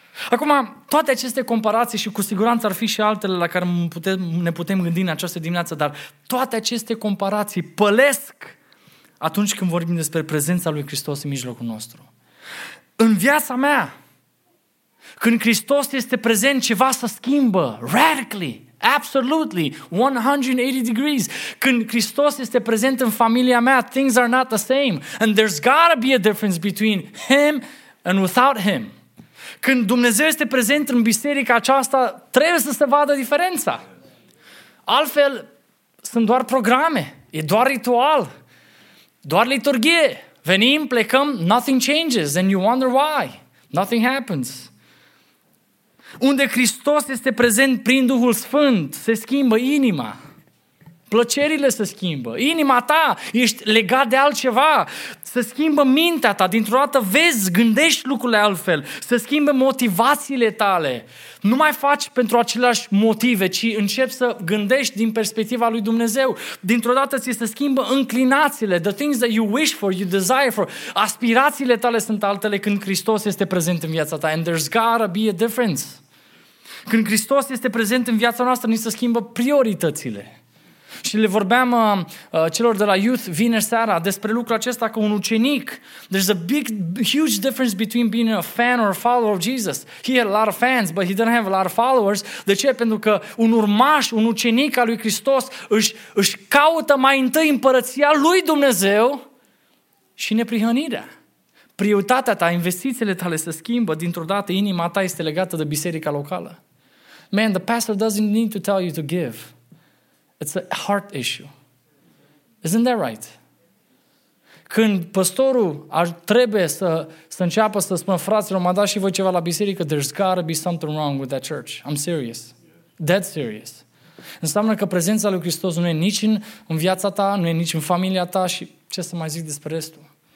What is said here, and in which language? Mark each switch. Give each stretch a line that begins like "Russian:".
Romanian: Acum, toate aceste comparații și cu siguranță ar fi și altele la care ne putem gândi în această dimineață, dar toate aceste comparații pălesc atunci când vorbim despre prezența lui Hristos în mijlocul nostru. În viața mea, când Hristos este prezent, ceva se schimbă
English: radically, absolutely, 180 degrees.
Romanian: Când Hristos este prezent în familia mea,
English: things are not the same. And there's gotta be a difference between him and without him.
Romanian: Când Dumnezeu este prezent în biserica aceasta, trebuie să se vadă diferența. Altfel, sunt doar programe, e doar ritual, doar liturghie. Venim, plecăm,
English: nothing changes, and you wonder why. Nothing happens.
Romanian: Unde Hristos este prezent prin Duhul Sfânt, se schimbă inima. Plăcerile se schimbă. Inima ta, ești legat de altceva. Se schimbă mintea ta. Dintr-o dată vezi, gândești lucrurile altfel. Se schimbă motivațiile tale. Nu mai faci pentru aceleași motive, ci începi să gândești din perspectiva lui Dumnezeu. Dintr-o dată ți se schimbă înclinațiile.
English: The things that you wish for, you desire for.
Romanian: Aspirațiile tale sunt altele când Hristos este prezent în viața ta.
English: And there's gotta be a difference.
Romanian: Când Hristos este prezent în viața noastră, ni se schimbă prioritățile. Și le vorbeam celor de la Youth vineri seara despre lucrul acesta cu un ucenic.
English: There's a big, huge difference between being a fan or a follower of Jesus. He had a lot of fans, but he didn't have a lot of followers.
Romanian: De ce? Pentru că un urmaș, un ucenic al lui Hristos își caută mai întâi împărăția lui Dumnezeu și neprihănirea. Prioritatea ta, investițiile tale se schimbă, dintr-o dată inima ta este legată de biserica locală.
English: Man, the pastor doesn't need to tell you to give. It's a heart issue. Isn't that right?
Romanian: Când pastorul trebuie să înceapă să spună, fraților, m-a dat și voi ceva la biserică,
English: there's gotta be something wrong with that church. I'm serious. Dead serious.
Romanian: Înseamnă că prezența lui Hristos nu e nici în viața ta, nu e nici în familia ta și ce să mai zic despre restul.